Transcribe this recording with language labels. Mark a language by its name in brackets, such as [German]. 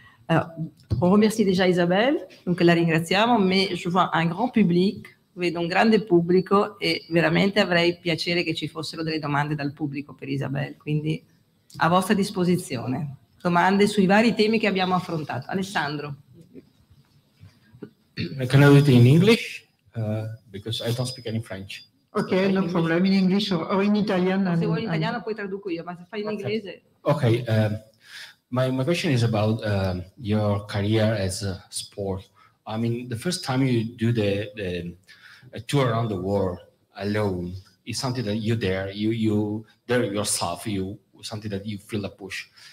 [French] Alors, on remercie déjà Isabelle, donc [Italian] la ringraziamo, [French] mais je vois un grand public, [Italian] vedo un grande pubblico e veramente avrei piacere che ci fossero delle domande dal pubblico per Isabelle, quindi a vostra disposizione. Domande sui vari temi che abbiamo affrontato. Alessandro. [English] Can I do it in English? Because I don't speak any French. Ok, no problem, in English or in Italian. [Italian] Se vuoi in italiano poi traduco io, ma se fai in inglese... [English] Ok, my question is about your career as a sport. I mean, the first time you do a tour around the world alone is something that you dare, you dare yourself, you something that you feel a push.